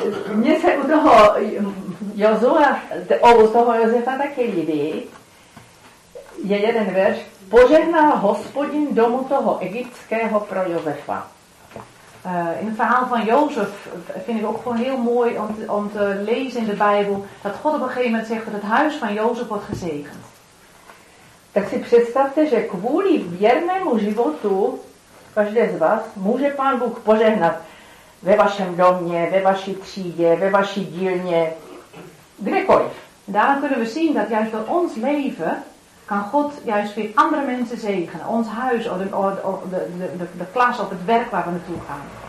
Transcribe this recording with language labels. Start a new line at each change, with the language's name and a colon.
Czech: Mně se u toho Jozua, u toho Josefa taky líbí, je jeden verš, požehnal Hospodin domu toho egyptského pro Josefa.
Dutch: In het verhaal van Jozef vind ik ook gewoon heel mooi om te lezen in de Bijbel, dat God op een gegeven moment zegt dat het huis van Jozef wordt gezegend.
Czech: Tak si představte, že kvůli věrnému životu každé z vás může Pán Bůh požehnat ve vašem domě, ve vaší třídě, ve vaší dílně, kdekoliv.
Dutch: Daarom kunnen we zien dat juist door ons leven kan God juist weer andere mensen zegenen. Ons huis, de klas of het werk waar we naartoe gaan.